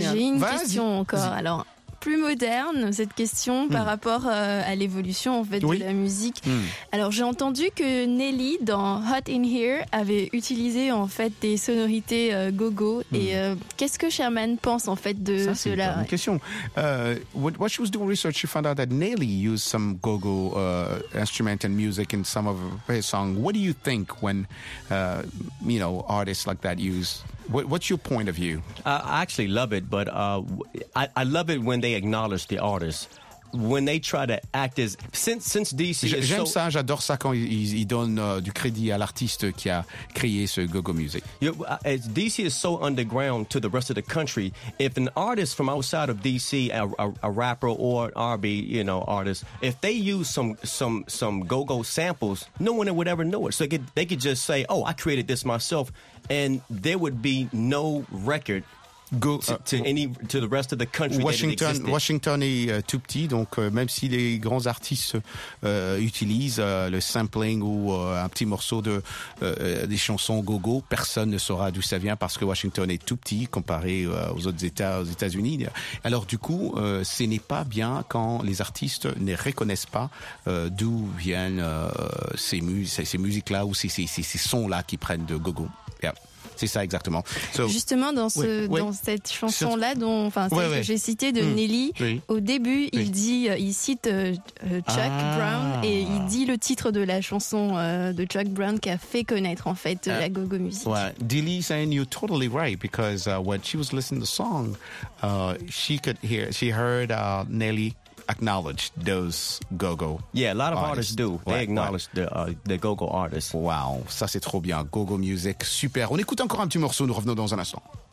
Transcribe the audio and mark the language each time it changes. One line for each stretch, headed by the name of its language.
French: J'ai une question encore. Vas-y. Alors, plus moderne, cette question, par rapport à l'évolution, en fait, oui, de la musique. Alors, j'ai entendu que Nelly, dans Hot In Here, avait utilisé, en fait, des sonorités go-go. Et qu'est-ce que Sherman pense, en fait, de ça, cela? Ça, c'est une question.
English: What she was doing research, she found out that Nelly used some go-go instrument and music in some of her songs. What do you think when, you know, artists like that use... What's your point of view? I actually love it, but I love it when they acknowledge the artist. When they try to act as... Since DC is so...
French: J'aime ça, j'adore ça quand ils donnent du crédit à l'artiste qui a créé ce go-go music.
English: DC is so underground to the rest of the country. If an artist from outside of DC, a rapper or an R&B, you know, artist, if they use some go-go samples, no one would ever know it. So they could just say, oh, I created this myself, and there would be no record... To the rest of the country.
French: Washington est tout petit, donc même si les grands artistes utilisent le sampling ou un petit morceau de des chansons go-go, personne ne saura d'où ça vient, parce que Washington est tout petit comparé aux autres États, aux États-Unis. Alors du coup, ce n'est pas bien quand les artistes ne reconnaissent pas d'où viennent ces musiques-là ou ces sons-là qui prennent de go-go. Yeah. c'est ça exactement. So, justement, dans, ce, oui, dans oui, cette chanson-là, dont, enfin, celle oui, que oui, j'ai citée de Nelly, oui, au début, oui, il dit, il cite Chuck Brown et il dit le titre de la chanson de Chuck Brown qui a fait connaître en fait la go-go music.
English: Well, Nelly saying you're totally right because when she was listening to the song, she could hear, she heard Nelly acknowledge those go-go. Yeah, a lot of artists do. They ouais, acknowledge ouais, the go-go artists.
French: Wow, ça c'est trop bien. Go-go music, super. On écoute encore un petit morceau, nous revenons dans un instant.